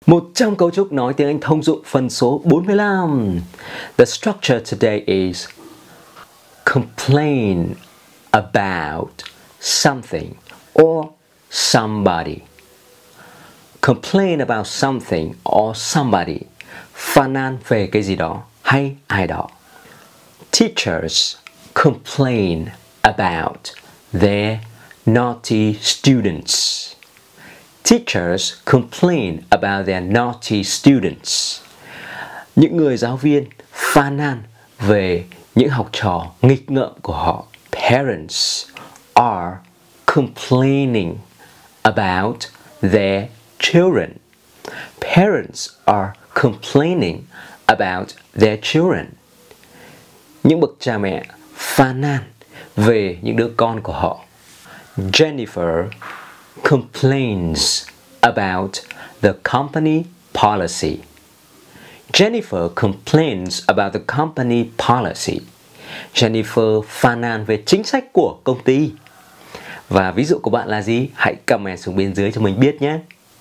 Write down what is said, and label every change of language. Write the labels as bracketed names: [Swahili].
[Vietnamese] 100 cấu trúc nói tiếng Anh thông dụng phần số 45. [English] The structure today is complain about something or somebody. Complain about something or somebody. [Vietnamese] Phàn nàn về cái gì đó hay ai đó. [English] Teachers complain about their naughty students. Teachers complain about their naughty students. [Vietnamese] Những người giáo viên phàn nàn về những học trò nghịch ngợm của họ. [English] Parents are complaining about their children. Parents are complaining about their children. [Vietnamese] Những bậc cha mẹ phàn nàn về những đứa con của họ. [English] Jennifer complains about the company policy. Jennifer complains about the company policy. [Vietnamese] Jennifer phàn nàn về chính sách của công ty. Và ví dụ của bạn là gì? Hãy comment xuống bên dưới cho mình biết nhé.